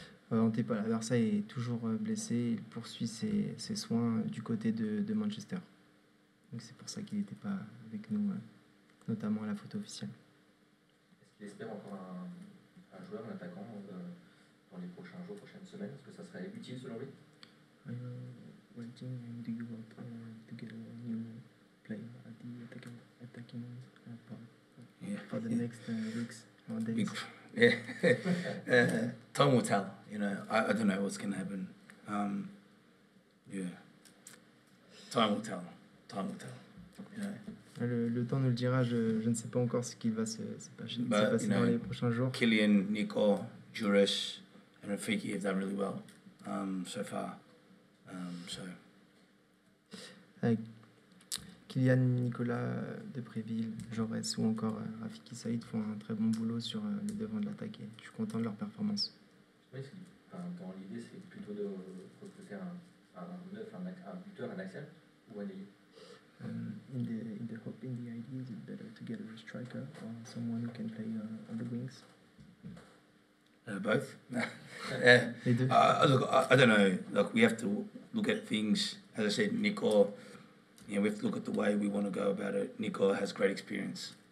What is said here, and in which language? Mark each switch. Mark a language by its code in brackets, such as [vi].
[fr] Antepala Barça est toujours blessé, il poursuit ses soins du côté de Manchester. Donc c'est pour ça qu'il n'était pas avec nous, notamment à la photo officielle. Est-ce qu'il espère encore un joueur, un attaquant, dans les prochains jours, prochaines semaines? Est-ce que ça serait utile selon lui? [en] Are you waiting and do you want to get a new player at the attacking part for the next weeks or days? Yeah, time will tell. You know, I don't know what's gonna happen. Time will tell. Yeah. [fr] Le temps nous le dira. Je ne sais pas encore ce qu'il va se passer dans les prochains jours. [en] Kylian, Nico, Juris, and Rafiki have done really well so far. [fr] Kylian, Nicolas Depréville, Jaurès ou encore Rafiki Saïd font un très bon boulot sur le devant de l'attaque et je suis content de leur performance. Oui, l'idée c'est plutôt de recruter un buteur, un axial ou un ailier. [en] In the idea, is it better to get a striker or someone who can play on the wings? Both. [fr] Les deux. [en] I don't know. Look, we have to look at things. As I said, Nico. Yeah, we have to look at the way we want to go about it. Nico has great experience.